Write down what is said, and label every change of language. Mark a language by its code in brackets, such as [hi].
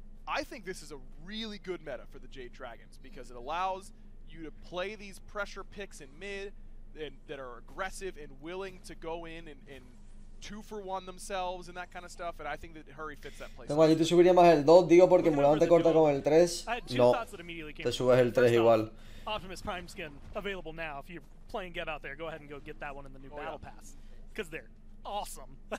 [en] I think this is a really good meta for the Jade Dragons, because it allows you to play these pressure picks in mid and that are aggressive and willing to go in and two for one themselves and that kind of stuff, and I think that Hurry fits that place. [es] Tengo aquí, te subiría más el 2, digo, porque Mulan te corta con el 3. No, te subes el 3 igual. [en] Optimus Prime skin available now. If you're playing Get Out There, go ahead and go get that one in the new battle pass, because they're awesome.